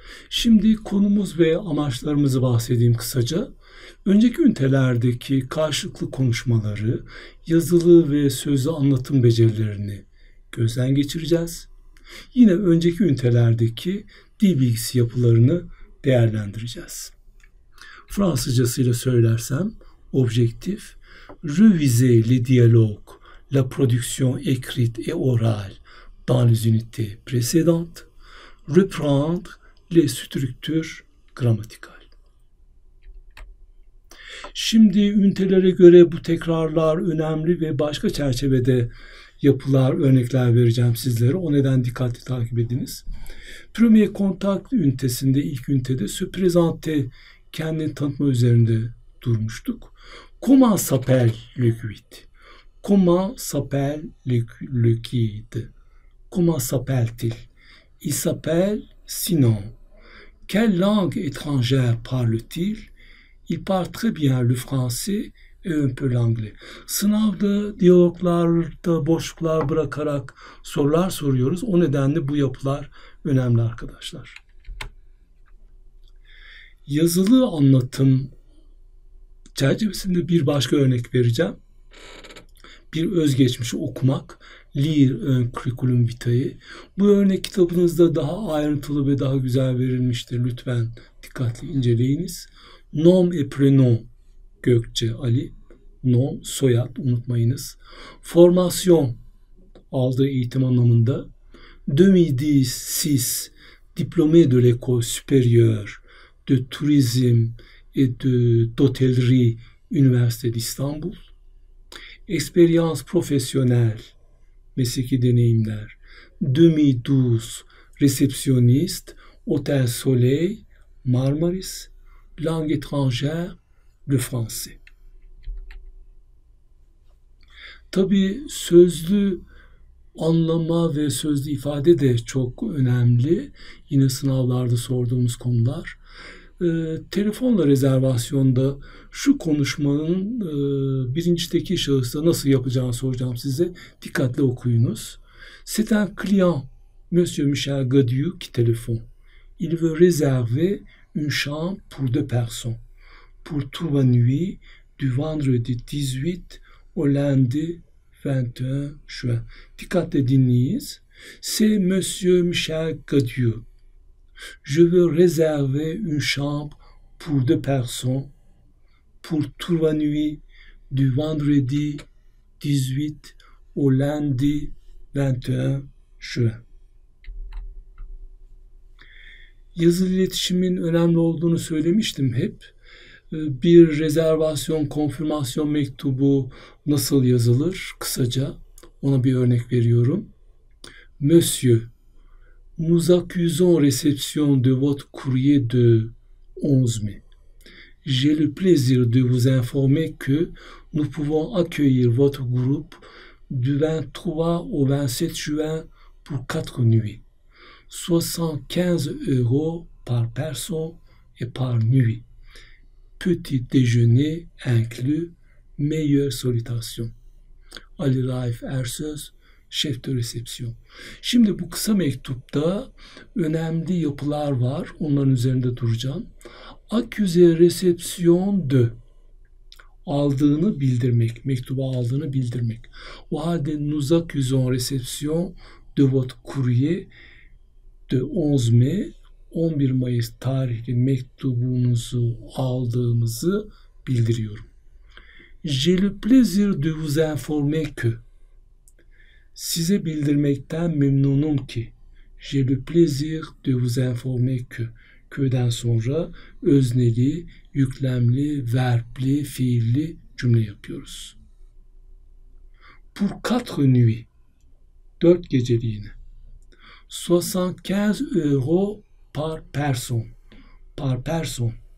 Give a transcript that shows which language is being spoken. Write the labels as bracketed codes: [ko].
[tr] Şimdi konumuz ve amaçlarımızı bahsedeyim kısaca. Önceki ünitelerdeki karşılıklı konuşmaları, yazılı ve sözlü anlatım becerilerini gözden geçireceğiz. Yine önceki ünitelerdeki dil bilgisi yapılarını değerlendireceğiz. Fransızcasıyla söylersem, [fr] objectif, reviser les dialogues, la production écrite et orale dans les unités précédentes, reprendre les structures grammaticales. [tr] Şimdi ünitelere göre bu tekrarlar önemli ve başka çerçevede yapılar, örnekler vereceğim sizlere. O neden dikkatli takip ediniz. Premier contact ünitesinde, ilk ünitede, [fr] se présenter, [tr] kendini tanıtma üzerinde durmuştuk. [fr] Comment s'appelle le guide? Comment s'appelle le guide? Comment s'appelle-t-il? Il s'appelle Sinon. Quelle langue étrangère parle-t-il? Il parle très bien le français et un peu l'anglais. [tr] Sınavda diyaloglarda boşluklar bırakarak sorular soruyoruz. O nedenle bu yapılar önemli arkadaşlar. Yazılı anlatım çerçevesinde bir başka örnek vereceğim. Bir özgeçmişi okumak. [fr] Lire un curriculum vitae. [tr] Bu örnek kitabınızda daha ayrıntılı ve daha güzel verilmiştir. Lütfen dikkatli inceleyiniz. [fr] Nom et prénom. [tr] Gökçe Ali. Nom, soyad, unutmayınız. Formasyon, aldığı eğitim anlamında. [fr] Demi-dix-six, diplômé de l'école supérieure de tourisme et de d'hôtellerie, Üniversite d'İstanbul. Expérience professionnelle, [tr] mesleki deneyimler. [fr] Demi-douze, réceptionniste, Hôtel Soleil, Marmaris. Langue étrangère, le français. [tr] Tabii sözlü anlama ve sözlü ifade de çok önemli. Yine sınavlarda sorduğumuz konular. Telefonla rezervasyonda şu konuşmanın birincideki şahısta nasıl yapacağını soracağım size. Dikkatli okuyunuz. [fr] C'est un client, Monsieur Michel Gadieux, qui téléphone. Il veut réserver une chambre pour deux personnes, pour trois nuits, du vendredi 18 au lundi 21 juin. [tr] Dikkatle dinleyiniz. [fr] C'est Monsieur Michel Gadieux. Je veux réserver une chambre pour deux personnes pour trois nuits du vendredi 18 au lundi 21 juin. [tr] Yazılı iletişimin önemli olduğunu söylemiştim hep. Bir rezervasyon, konfirmasyon mektubu nasıl yazılır? Kısaca ona bir örnek veriyorum. [fr] Monsieur, nous accusons réception de votre courrier de 11 mai. J'ai le plaisir de vous informer que nous pouvons accueillir votre groupe du 23 au 27 juin pour 4 nuits. 75 euros par personne et par nuit. Petit déjeuner inclus, meilleure salutation. Ali Raif Ersöz, chef de réception. [tr] Şimdi bu kısa mektupta önemli yapılar var. Onların üzerinde duracağım. [fr] Accuser réception de [tr] aldığını bildirmek, mektubu aldığını bildirmek. O halde [fr] nous accusons réception de votre courrier de 11 mai, [tr] 11 Mayıs tarihli mektubunuzu aldığımızı bildiriyorum. [fr] J'ai le plaisir de vous informer que [tr] size bildirmekten memnunum ki. [fr] J'ai le plaisir de vous informer que. [tr] Que'den sonra özneli, yüklemli, verbli, fiilli cümle yapıyoruz. [fr] Pour quatre nuits. [tr] Dört geceliğine. [fr] 75 euro par person. Par person.